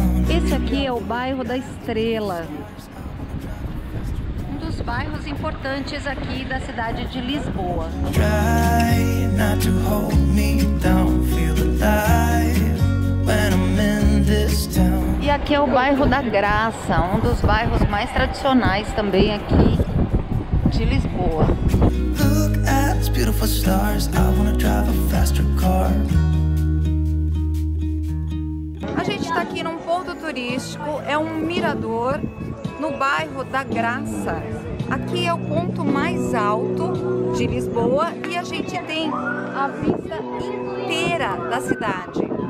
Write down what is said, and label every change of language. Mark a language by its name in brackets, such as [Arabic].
[Portuguese] Esse aqui é o bairro da Estrela. Bairros importantes aqui da cidade de Lisboa. [English] Try not to hold me down, feel alive when I'm in this town. [Portuguese] E aqui é o bairro da Graça, um dos bairros mais tradicionais também aqui de Lisboa. [English] Look at these beautiful stars, I wanna drive a faster car. [Portuguese] A gente está aqui num ponto turístico, é um mirador no bairro da Graça. Aqui é o ponto mais alto de Lisboa e a gente tem a vista inteira da cidade.